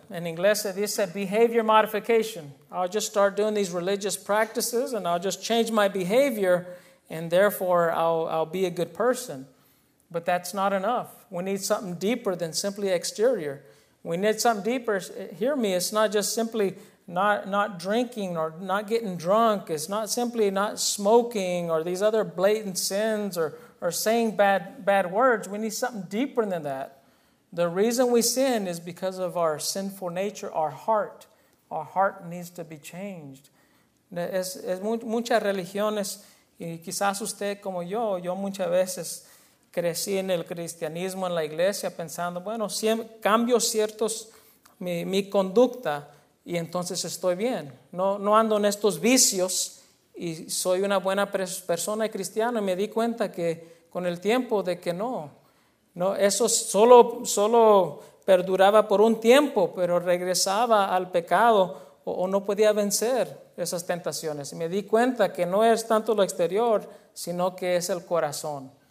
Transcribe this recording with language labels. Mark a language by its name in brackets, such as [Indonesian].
[Spanish] En inglés se dice behavior modification. [English] I'll just start doing these religious practices and I'll just change my behavior and therefore I'll be a good person. But that's not enough. We need something deeper than simply exterior. We need something deeper. Hear me, it's not just simply not drinking or not getting drunk. It's not simply not smoking or these other blatant sins or saying bad words. We need something deeper than that. The reason we sin is because of our sinful nature, our heart. Our heart needs to be changed. [Spanish] Es muchas religiones, y quizás usted como yo muchas veces crecí en el cristianismo, en la iglesia, pensando, bueno, si cambio ciertos mi conducta, y entonces estoy bien. No ando en estos vicios y soy una buena persona y cristiana. Y me di cuenta que con el tiempo de que no, eso solo perduraba por un tiempo, pero regresaba al pecado o no podía vencer esas tentaciones. Y me di cuenta que no es tanto lo exterior, sino que es el corazón.